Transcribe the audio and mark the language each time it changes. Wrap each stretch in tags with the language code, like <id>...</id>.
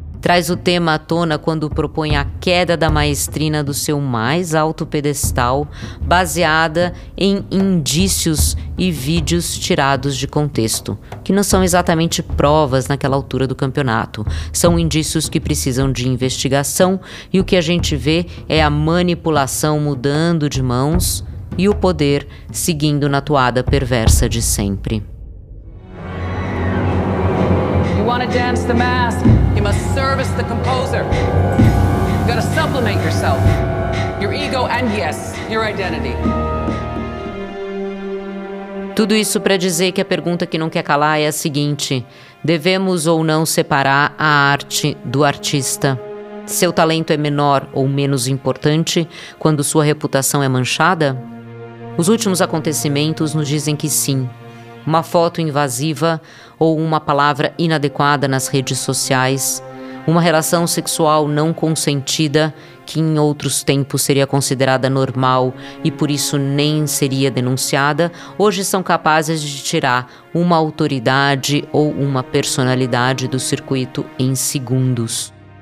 <pt>Traz o tema à tona quando propõe a queda da maestrina do seu mais alto pedestal, baseada em indícios e vídeos tirados de contexto, que não são exatamente provas naquela altura do campeonato. São indícios que precisam de investigação e o que a gente vê é a manipulação mudando de mãos e o poder seguindo na toada perversa de sempre.</pt> <en>You want to dance the mask? You must service the composer. You gotta supplement yourself. Your ego and yes, your identity.</en> <pt>Tudo isso para dizer que a pergunta que não quer calar é a seguinte: devemos ou não separar a arte do artista? Seu talento é menor ou menos importante quando sua reputação é manchada? Os últimos acontecimentos nos dizem que sim. Uma foto invasiva ou uma palavra inadequada nas redes sociais, uma relação sexual não consentida, que em outros tempos seria considerada normal e por isso nem seria denunciada, hoje são capazes de tirar uma autoridade ou uma personalidade do circuito em segundos.</pt>